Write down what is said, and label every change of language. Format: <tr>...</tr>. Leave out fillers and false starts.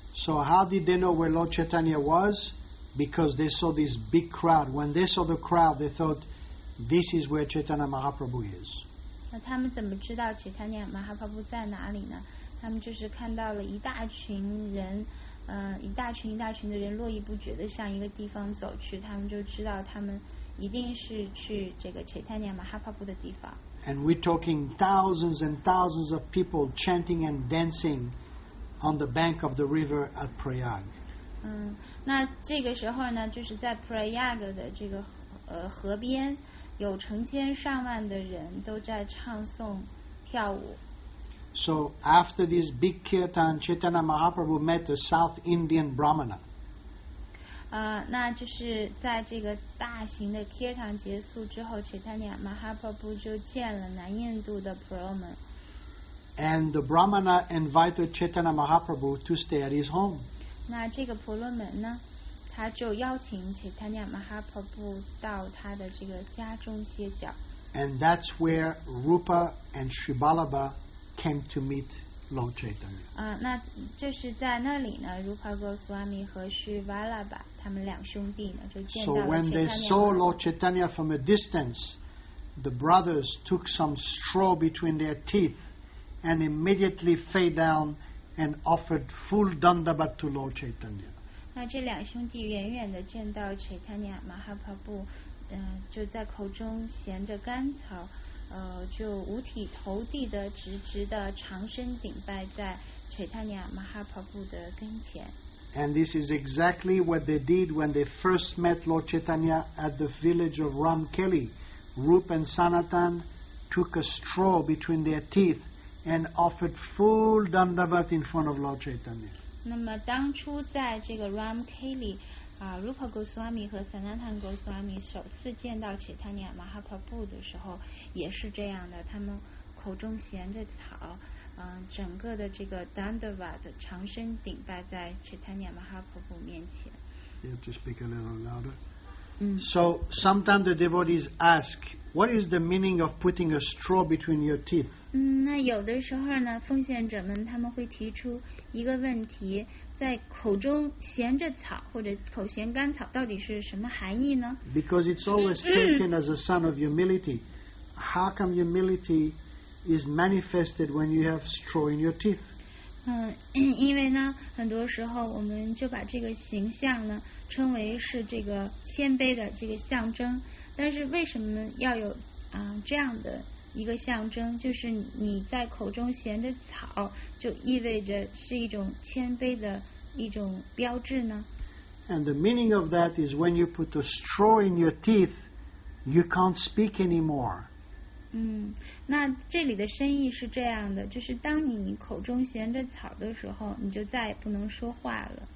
<en>So how did they know where Lord Chaitanya was? Because they saw this big crowd. When they saw the crowd, they thought, this is where Chaitanya Mahaprabhu is.</en> <zh>那他们怎么知道 Chaitanya Mahaprabhu 在哪里呢？他们就是看到了一大群人，一大群一大群的人络绎不绝地向一个地方走去，他们就知道他们一定是去这个 Chaitanya Mahaprabhu 的地方。</zh> <en>And we're talking thousands and thousands of people chanting and dancing on the bank of the river at Prayag.</en> <zh>那这个时候呢，就是在 Prayag 的这个河边，有成千上万的人都在唱诵、跳舞。</zh> <en>So after this big kirtan, Chaitanya Mahaprabhu met a South Indian Brahmana.</en> <zh>那就是在这个大型的 kirtan 结束之后 ，Chaitanya Mahaprabhu 就见了南印度的 Brahmana。</zh> <en>And the Brahmana invited Chaitanya Mahaprabhu to stay at his home.</en> <zh>那这个婆罗门呢，他就邀请 Chaitanya Mahaprabhu 到他的这个家中歇脚。</zh> <en>And that's where Rupa and Sri Balabha came to meet Lord Chaitanya.</en> <zh>那就是在那里呢 ，Rupa Goswami 和 Sri Balabha 他们两兄弟呢就见到了 Chaitanya.</zh> <en>So when they saw Lord Chaitanya from a distance, the brothers took some straw between their teeth. And immediately fell down and offered full dandabat to Lord Chaitanya.</en> <zh>那这两兄弟远远地见到 Chaitanya Mahaprabhu， 就在口中衔着甘草，就五体投地的直直的长身顶拜在 Chaitanya Mahaprabhu 的跟前。</zh> <en>And this is exactly what they did when they first met Lord Chaitanya at the village of Ramkeli. Rup and Sanatan took a straw between their teeth and offered full dandavat in front of Lord Chaitanya.</en> <zh>那么当初在这个 Ramkeli， Rupa Goswami 和 Sanatan Goswami 首次见到 Chaitanya Mahaprabhu 的时候也是这样的，他们口中衔着草，整个的这个 Dandavat 长身顶拜在 Chaitanya Mahaprabhu 面前。</zh> <en>You have to speak a little louder. So sometimes the devotees ask, what is the meaning of putting a straw between your teeth?</en> <zh>那有的时候呢，奉献者们他们会提出一个问题，在口中衔着草或者口衔甘草到底是什么含义呢？</zh> <en>Because it's always taken as a sign of humility. How come humility is manifested when you have straw in your teeth?</en> <zh>因为呢，很多时候我们就把这个形象呢称为是这个谦卑的这个象征。但是为什么要有这样的一个象征？就是你在口中衔着草，就意味着是一种谦卑的一种标志呢？</zh> <en>And the meaning of that is when you put a straw in your teeth, you can't speak anymore.</en> <zh>那这里的深意是这样的，就是当你口中衔着草的时候，你就再也不能说话了。</zh>